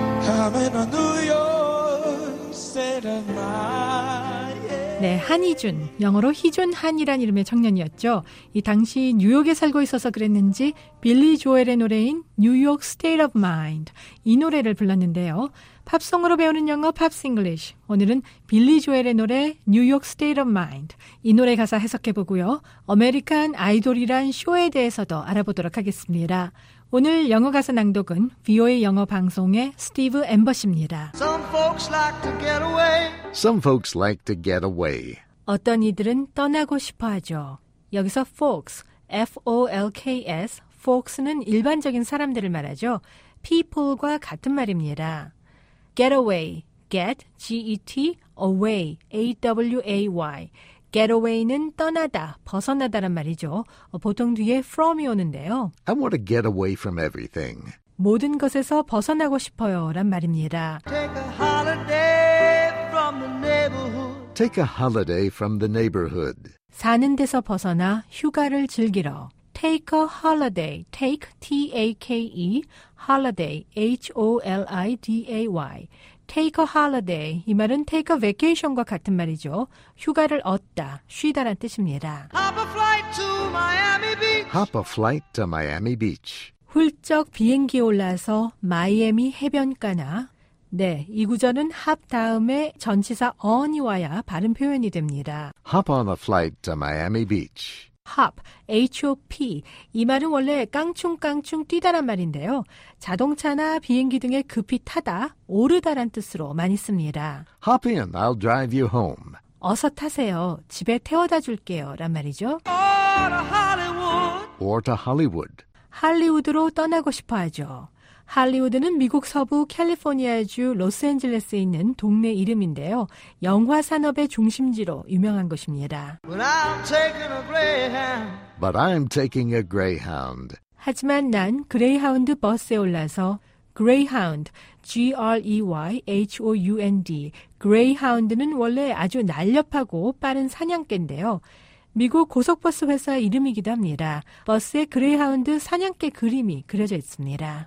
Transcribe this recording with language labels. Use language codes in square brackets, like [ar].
[en] I'm in a New York state of mind. [ko] 네, 한희준, 영어로 희준 한이란 이름의 청년이었죠. 이 당시 뉴욕에 살고 있어서 그랬는지 빌리 조엘의 노래인 New York State of Mind 이 노래를 불렀는데요. 팝송으로 배우는 영어 팝스 잉글리쉬. 오늘은 빌리 조엘의 노래 New York State of Mind. 이 노래 가사 해석해보고요. 아메리칸 아이돌이란 쇼에 대해서도 알아보도록 하겠습니다. 오늘 영어 가사 낭독은 VOA 영어 방송의 스티브 엠버시입니다. [en] Some folks like to get away. Some folks like to get away. [ko] 어떤 이들은 떠나고 싶어 하죠. 여기서 folks, F-O-L-K-S, folks는 일반적인 사람들을 말하죠. people과 같은 말입니다. [en] Get away, get, G-E-T, away, A-W-A-Y. [ko] Get away는 떠나다, 벗어나다란 말이죠. 보통 뒤에 from이 오는데요. [en] I want to get away from everything. [ko] 모든 것에서 벗어나고 싶어요란 말입니다. [en] Take a holiday from Take a holiday from the neighborhood. [ko] 사는 데서 벗어나 휴가를 즐기러. [en] Take a holiday. Take, T-A-K-E, holiday, H-O-L-I-D-A-Y. Take a holiday. [ko] 이 말은 [en] take a vacation [ko] 과 같은 말이죠. 휴가를 얻다, 쉬다란 뜻입니다. [en] Hop a flight to Miami Beach. Hop a flight to Miami Beach. [ko] 훌쩍 비행기 올라서 마이애미 해변가나. 네, 이 구절은 hop 다음에 전치사 on이 와야 바른 표현이 됩니다. [en] Hop on a flight to Miami Beach. Hop, H-O-P. [ko] 이 말은 원래 깡충깡충 뛰다란 말인데요. 자동차나 비행기 등에 급히 타다, 오르다란 뜻으로 많이 씁니다. [en] Hop in, I'll drive you home. [ko] 어서 타세요. 집에 태워다 줄게요. 란 말이죠. [en] Or to Hollywood. Or to Hollywood. [ko] 할리우드로 떠나고 싶어 하죠. 할리우드는 미국 서부 캘리포니아주 로스앤젤레스에 있는 동네 이름인데요. 영화 산업의 중심지로 유명한 곳입니다. [en] But I'm taking a greyhound. [ko] 하지만 난 그레이하운드 버스에 올라서 greyhound, G-R-E-Y-H-O-U-N-D. 그레이하운드는 원래 아주 날렵하고 빠른 사냥개인데요. 미국 고속버스 회사 이름이기도 합니다. 버스에 그레이하운드 사냥개 그림이 그려져 있습니다.